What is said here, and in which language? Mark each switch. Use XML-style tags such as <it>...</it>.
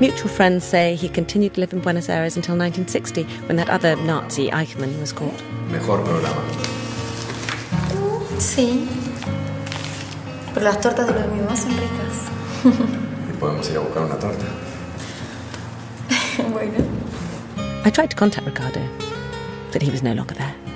<en>Mutual friends say he continued to live in Buenos Aires until 1960, when that other Nazi, Eichmann, was caught.</en> <es>Mejor programa. Sí. Pero las tortas de los mismos son ricas. Y podemos ir a buscar una torta.</es> <en>I tried to contact Ricardo, but he was no longer there.</en>